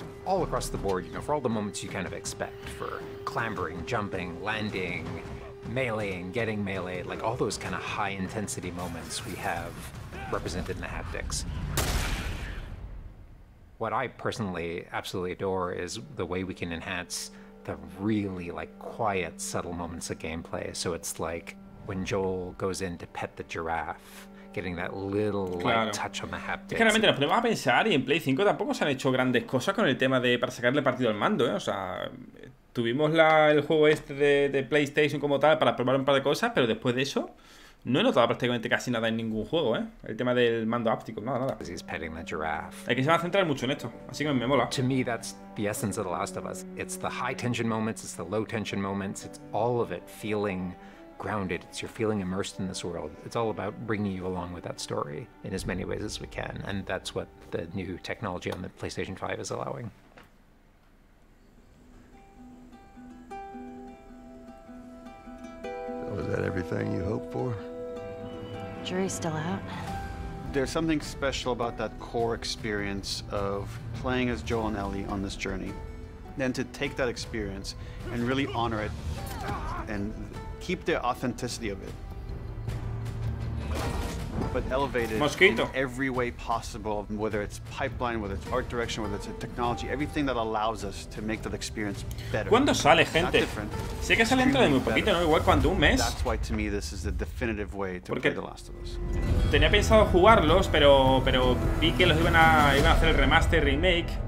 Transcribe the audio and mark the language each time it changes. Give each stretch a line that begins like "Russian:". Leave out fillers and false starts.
English: All across the board, you know, for all the moments you kind of expect for clambering, jumping, landing, meleeing, getting meleeed, like all those kind of high intensity moments we have represented in the haptics. What I personally absolutely adore is the way we can enhance the really like quiet, subtle moments of gameplay. So it's like when Joel goes in to pet the giraffe, getting that little
Spanish: claro.
English: Like, touch on the haptics.
Spanish: Es que realmente nos ponemos a pensar y en Play 5 tampoco se han hecho grandes cosas con el tema de para sacarle partido al mando, ¿eh? O sea, tuvimos el juego este de PlayStation como tal para probar un par de cosas, pero después de eso no he notado prácticamente casi nada en ningún juego, ¿eh? El tema del mando háptico, nada.
English: He's petting the giraffe.
Spanish: Es que se va a centrar mucho en esto, así que me mola.
English: To me, that's the essence of The Last of Us. It's the high tension moments, it's the low tension moments, it's all of it feeling grounded. It's your feeling immersed in this world. It's all about bringing you along with that story in as many ways as we can, and that's what the new technology on the PlayStation 5 is allowing. Was that everything you hoped for? Jury's still out. There's something special about that core experience of playing as Joel and Ellie on this journey. Then to take that experience and really honor it and keep the authenticity of it. But elevate it in every way possible, whether it's pipeline, whether it's art direction, whether it's a technology, everything that allows us to make that experience better.
Spanish: ¿Cuándo sale, gente? Sé que sale dentro de muy poquito, ¿no? Igual cuando un mes.
English: That's why to me this is the definitive way to play The Last of Us.
Spanish: Tenía pensado jugarlos, pero vi que los iban a hacer el remaster remake.